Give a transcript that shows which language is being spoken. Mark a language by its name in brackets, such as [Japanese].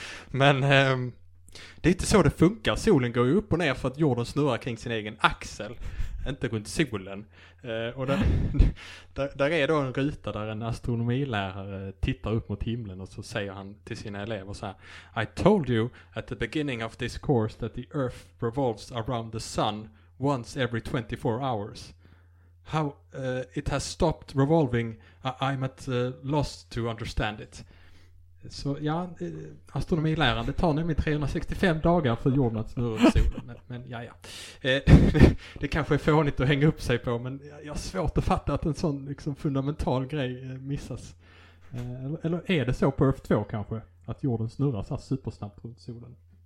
[Swedish] Men det är inte så det funkar, solen går ju upp och ner för att jorden snurrar kring sin egen axel, inte runt solen. Och där är då en ruta där en astronomilärare tittar upp mot himlen och så säger han till sina elever så här: [English] I told you at the beginning of this course that the earth revolves around the sun once every 24 hours. How it has stopped revolving, I'm at loss to understand it. [Swedish] Så ja, astronomiläraren, det tar nämligen 365 dagar för jorden att snurra runt solen. Men ja, ja. Det kanske är fånigt att hänga upp sig på, men jag har svårt att fatta att en sån liksom fundamental grej missas. Eller är det så på Earth 2 kanske, att jorden snurrar så supersnabbt runt solen?